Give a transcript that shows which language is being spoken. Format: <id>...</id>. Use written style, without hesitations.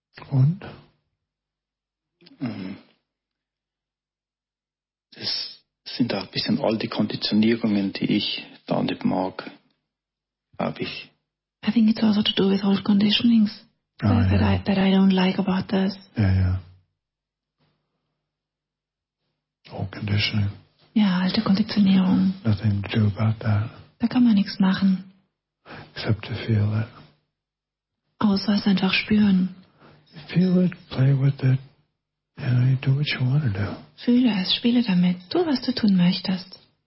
<de>Und? Das sind auch ein bisschen all die Konditionierungen, die ich da nicht mag, habe ich.</de> <en>I think it's also to do with all conditionings that I don't like about this. Yeah, yeah. All conditioning.</en> <de>Ja, alte Konditionierung.</de> <en>Nothing to do about that.</en> <de>Da kann man nichts machen.</de> <en>Except to feel it.</en> <de>Außer es einfach spüren.</de> <en>Feel it, play with it, and you do what you want to do.</en> <de>Fühle es, spiele damit, tu, was du tun möchtest.</de>